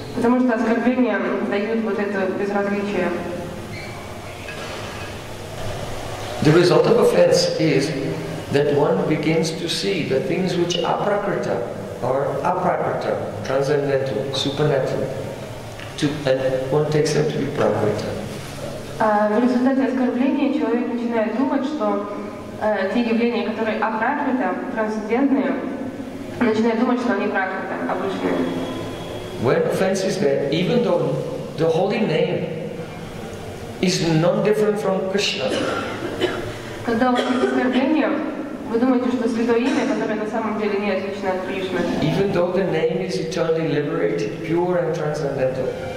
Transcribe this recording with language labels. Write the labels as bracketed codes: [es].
[ru] Потому что оскорбления дают вот это безразличие. [en] The result of offense is that one begins to see the things which are prakriti or aprakriti, transcendental, supernatural, to, and one takes them to be prakriti. [ru] В результате оскорбления человек начинает думать, что те явления, которые апракрита, трансцендентные, начинает думать, что они пракрита, обычные. [en] When offense is there, even though the holy name is non-different from Krishna. [ru] Когда у вас оскорбление, вы думаете, что святое имя, которое на самом деле не отлично от Кришны. [en] Even though the name is eternally liberated, pure and transcendental.